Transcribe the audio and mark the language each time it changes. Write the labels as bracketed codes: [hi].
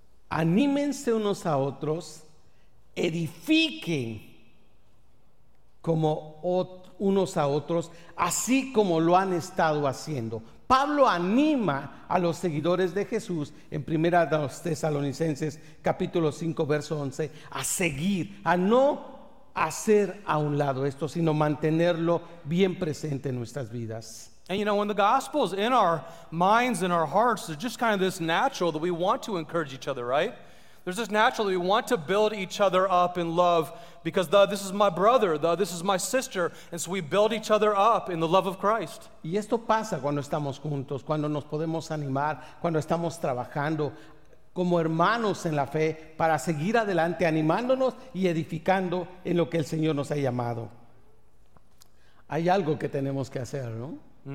[es] Anímense unos a otros, edifiquen como unos a otros, así como lo han estado haciendo. Pablo anima a los seguidores de Jesús en 1 Tesalonicenses capítulo 5 verso 11 a seguir, a no hacer a un lado esto, sino mantenerlo bien presente en nuestras vidas. [en] And you know, when the gospel is in our minds and our hearts, there's just kind of this natural that we want to encourage each other, right? There's this natural that we want to build each other up in love because this is my brother, this is my sister, and so we build each other up in the love of Christ. [es] Y esto pasa cuando estamos juntos, cuando nos podemos animar, cuando estamos trabajando como hermanos en la fe para seguir adelante animándonos y edificando en lo que el Señor nos ha llamado. Hay algo que tenemos que hacer, ¿no?